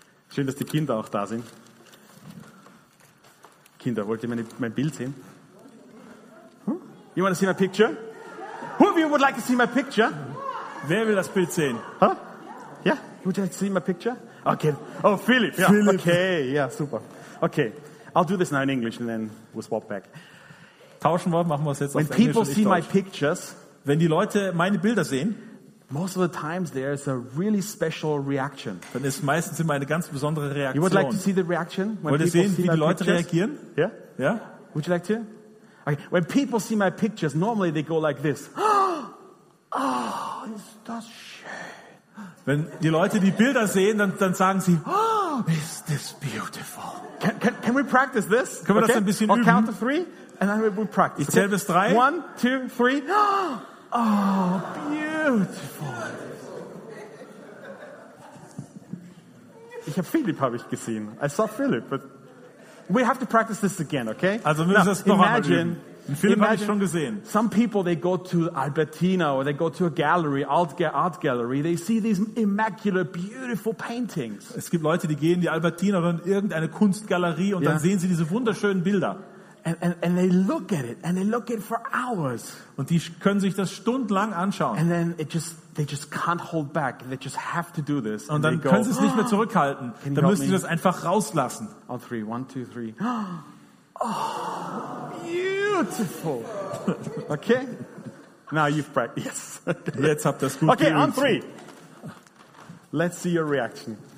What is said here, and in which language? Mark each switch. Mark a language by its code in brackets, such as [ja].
[de] Schön, dass die Kinder auch da sind. Kinder, wollt ihr mein Bild sehen? [en] You want to see my picture? Who of you would like to see my picture? [de] Wer will das Bild sehen? Huh? [en] Yeah, would you like to see my picture? Okay. Oh, Philip. Yeah. Philip. Okay, yeah, super. Okay, I'll do this now in English and then we'll swap back. [de] Tauschen wir, machen wir es jetzt auf Englisch. [en] When people see my pictures, [de] wenn die Leute meine Bilder sehen, [en] most of the times there is a really special reaction. [de] Dann ist meistens immer eine ganz besondere Reaktion. [en] You would like to see the reaction when people see my pictures? [de] Wollt ihr sehen, wie die Leute reagieren? [en] Yeah? Yeah? Would you like to? Okay. When people see my pictures, normally they go like this. [de] Oh, ist das schön. Wenn die Leute die Bilder sehen, dann sagen sie, [en] oh, is this beautiful? Can we practice this? [de] Können wir das ein bisschen üben? [en] On count of three, and then we'll practice. [de] Ich zähle bis drei. [en] One, two, three. Oh, beautiful. [de] Ich habe Philipp habe ich gesehen. [en] I saw Philipp, but we have to practice this again, okay? [de] Also wir müssen das noch einmal üben. Philipp habe ich schon gesehen. [en] Some people, they go to Albertina or they go to a gallery, art gallery. They see these immaculate, beautiful paintings. [de] Es gibt Leute, die gehen in die Albertina oder in irgendeine Kunstgalerie und dann sehen sie diese wunderschönen Bilder. [en] And they look at it and they look at it for hours. [de] Und die können sich das stundenlang anschauen. [en] And then they just can't hold back. They just have to do this. [de] Und dann können sie es nicht mehr zurückhalten. Dann müssen sie das einfach rauslassen. [en] On three, one, two, three. Oh, beautiful. Okay. Now you've practiced. Yes. [de] Jetzt habt das gut. [en] Okay, on three. Let's see your reaction.